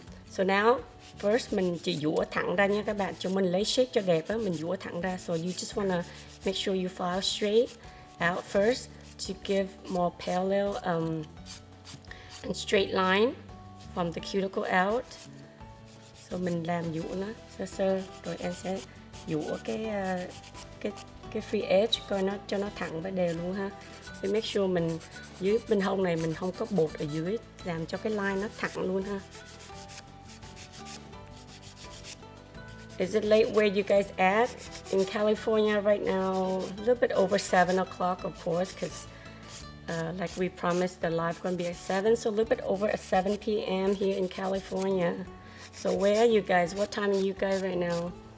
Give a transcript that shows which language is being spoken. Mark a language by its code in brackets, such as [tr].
[vi] So now, first, mình chỉ dũa thẳng ra nha các bạn. Cho mình lấy shape cho đẹp á, mình dũa thẳng ra. [en] So you just want to make sure you file straight out first to give more parallel and straight line from the cuticle out. [vi] So mình làm dũa nó sơ sơ, rồi em sẽ dũa cái free edge coi nó cho nó thẳng và đều luôn ha. Thì make sure mình dưới bên hông này mình không có bột ở dưới, làm cho cái line nó thẳng luôn ha. [en] Is it late where you guys at in California right now? A little bit over 7 o'clock, of course, because like we promised, the live gonna be at 7, so a little bit over at 7 p.m. here in California. So where are you guys? What time are you guys right now?